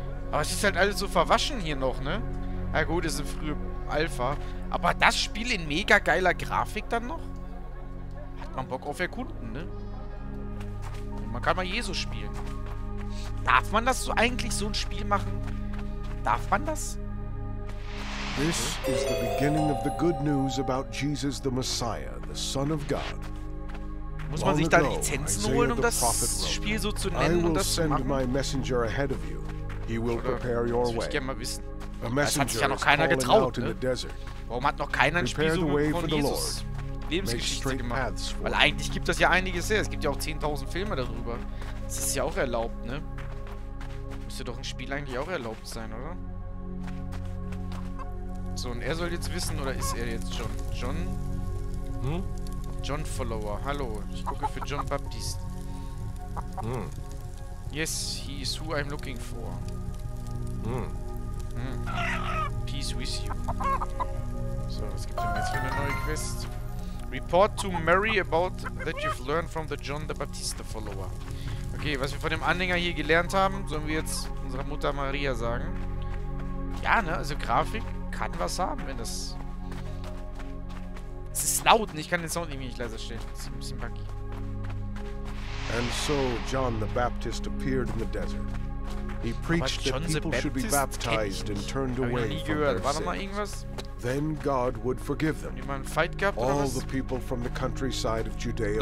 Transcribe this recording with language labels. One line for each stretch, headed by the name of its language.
German: Aber es ist halt alles so verwaschen hier noch, ne? Na ja, gut, es ist ein früher Alpha. Aber das Spiel in mega geiler Grafik dann noch? Hat man Bock auf Erkunden, ne? Und man kann mal Jesus spielen. Darf man das so eigentlich so ein Spiel machen? Darf man das?
English: This is the beginning of the good news about Jesus the Messiah, the Son of God.
German: Muss man sich da Lizenzen holen, um das Spiel so zu nennen und das zu machen?
English: My messenger ahead of you. He will prepare your way.
German: Ich mal wissen.
English: A messenger
German: hat sich ja noch keiner getraut, ne? Warum hat noch keiner ein Spiel so von Jesus Lebensgeschichte gemacht? Weil eigentlich gibt das ja einiges her. Es gibt ja auch 10.000 Filme darüber. Das ist ja auch erlaubt, ne? Müsste doch ein Spiel eigentlich auch erlaubt sein, oder? So, und er soll jetzt wissen, oder ist er jetzt John? John? John Follower. Hallo, ich gucke für John Baptist.
English: Yes, he is who I'm looking for. Peace with you.
German: So, es gibt dann jetzt eine neue Quest.
English: Report to Mary about that you've learned from the John the Baptista follower.
German: Okay, was wir von dem Anhänger hier gelernt haben, sollen wir jetzt unserer Mutter Maria sagen. Ja, ne? Also Grafik kann was haben, wenn das... Es ist laut und ich kann den Sound irgendwie nicht leiser stellen. Das ist ein bisschen buggy.
English: And so John the Baptist appeared in the desert. He preached that people should be baptized and turned away from their sins. Then God would forgive them. All the people from the countryside of Judea